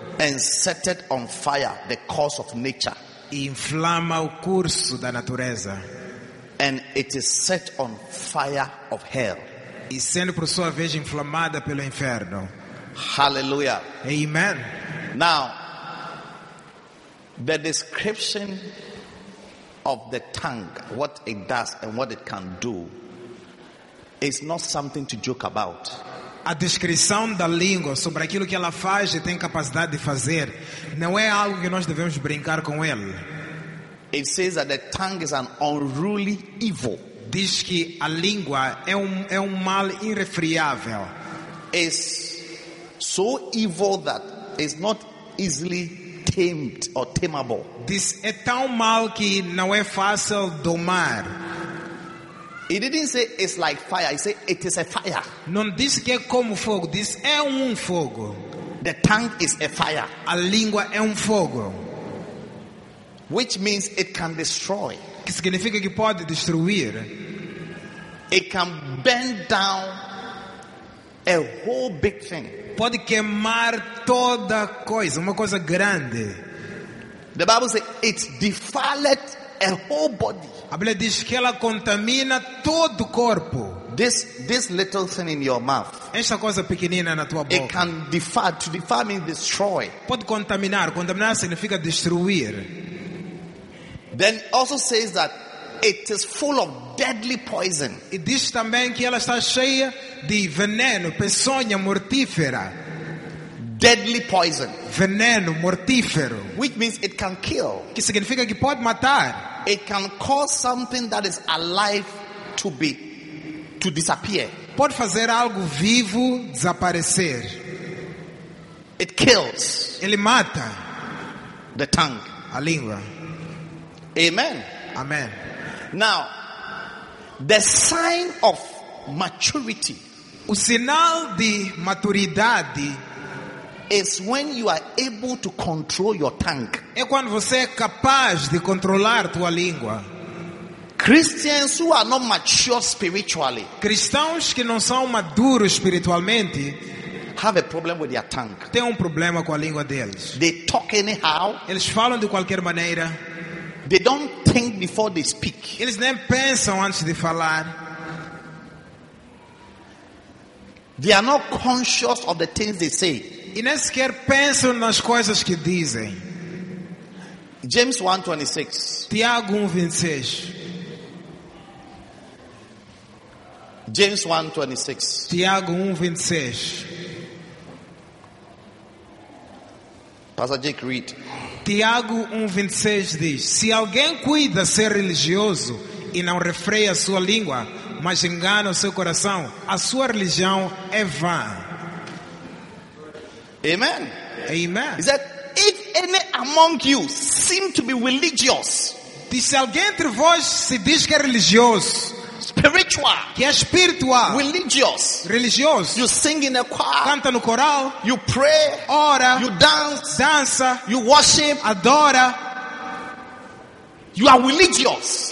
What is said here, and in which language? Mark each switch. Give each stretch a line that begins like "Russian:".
English: And set it on fire, the course of nature.
Portuguese: E inflama o curso da natureza.
English: And it is set on fire of hell.
Portuguese: E sendo por sua vez inflamada pelo inferno.
English: Hallelujah.
Portuguese: Amen.
English: Now, the description of the tongue, what it does and what it can do, is not something to joke about.
Portuguese: A descrição da língua sobre aquilo que ela faz e tem capacidade de fazer não é algo que nós devemos brincar com ele.
English: It says that the tongue is an unruly evil.
Portuguese: Diz que a língua é um mal irrefriável.
English: It's so evil that it's not easily tamed or tameable.
Portuguese: Diz é tão mal que não é fácil domar.
English: He didn't say it's like fire. He said it is a fire.
Portuguese: Não disse que é como fogo. Diz é fogo.
English: The tongue is a fire.
Portuguese: A língua é fogo.
English: Which means it can destroy.
Portuguese: Que significa que pode destruir.
English: It can burn down a whole big thing.
Portuguese: Pode queimar toda coisa, uma coisa grande.
English: The Bible says it defileth a whole body.
Portuguese: A Bíblia diz que ela contamina todo o corpo.
English: This little thing in your mouth.
Portuguese: Esta coisa pequenina na tua boca.
English: It can defile. To defile means destroy.
Portuguese: Pode contaminar. Contaminar significa destruir.
English: Then also says that it is full of deadly poison.
Portuguese: E diz também que ela está cheia de veneno, peçonha mortífera.
English: deadly poison.
Portuguese: Veneno mortífero.
English: Which means it can kill.
Portuguese: Que significa que pode matar.
English: It can cause something that is alive to be to disappear.
Portuguese: Pode fazer algo vivo desaparecer.
English: It kills.
Portuguese: Ele mata.
English: The tongue.
Portuguese: A língua.
English: Amen.
Portuguese: Amen.
English: Now, the sign of maturity.
Portuguese: O sinal de maturidade
English: is when you are able to control your tongue.
Portuguese: É quando você é capaz de controlar tua língua.
English: Christians who are not mature spiritually.
Portuguese: Cristãos que não são maduros espiritualmente
English: have a problem with their tongue.
Portuguese: Têm problema com a língua deles.
English: They talk anyhow.
Portuguese: Eles falam de qualquer maneira.
English: They don't think before they speak.
Portuguese: Eles nem pensam antes de falar.
English: They are not conscious of the things they say.
Portuguese: E nem sequer pensam nas coisas que dizem.
English: James 1:26.
Portuguese: Tiago 1:26.
English: James 1:26.
Portuguese: Tiago 1:26.
English: Pastor Jake, read.
Portuguese: Tiago 1:26 diz: se alguém cuida ser religioso e não refreia a sua língua, mas engana o seu coração, a sua religião é vã.
English: Amen.
Portuguese: Amen.
English: He said, if any among you seem to be religious,
Portuguese: se alguém entre vós se diz que é religioso,
English: spiritual,
Portuguese: que é espiritual,
English: religious,
Portuguese: religioso,
English: you sing in a choir,
Portuguese: canta no coral,
English: you pray,
Portuguese: ora,
English: you dance,
Portuguese: dança,
English: you worship,
Portuguese: adora,
English: you are religious,